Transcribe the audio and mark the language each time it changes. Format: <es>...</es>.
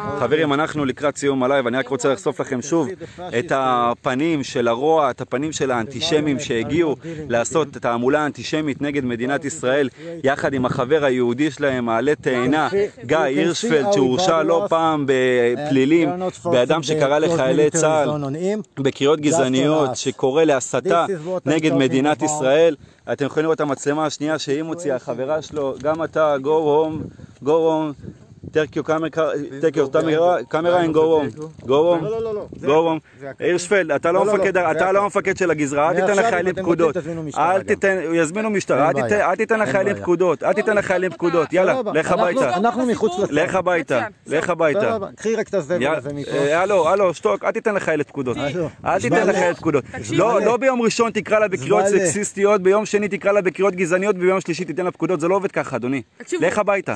<he>חברים, אנחנו לקראת סיום הלייב, אני רק רוצה לחשוף לכם שוב את הפנים של הרוע, את הפנים של האנטישמים שהגיעו לעשות את התעמולה האנטישמית נגד מדינת ישראל, יחד עם החבר היהודי שלהם, מעלה תאנה, גיא הירשפלד, שהורשע לא פעם בפלילים, באדם שקרא לחיילי צה"ל, בקריאות גזעניות, שקורא להסתה נגד מדינת ישראל. אתם יכולים לראות את המצלמה השנייה שהיא מוציאה, חברה שלו, גם אתה,</he> <en>go home, go home,</en> <he>take your camera, take your camera and go home, go home, go home. הירשפלד, אתה לא מפקד, אתה לא מפקד של הגזרה, אל תיתן לחיילים פקודות, אל תיתן, יזמינו משטרה, אל תיתן לחיילים פקודות, אל תיתן לחיילים פקודות, יאללה, לך הביתה, אנחנו מחוץ לסדר, לך הביתה, לך הביתה, קחי רק את הזבל הזה מפה, הלו, הלו, שתוק, אל תיתן לחיילים פקודות, אל תיתן לחיילים פקודות, לא ביום ראשון תקרא לה בקריאות סקסיסטיות, ביום שני תקרא לה בקריאות גזעניות, ביום שלישי תיתן לה פקודות, זה לא עובד ככה, אדוני, לך הביתה,</he>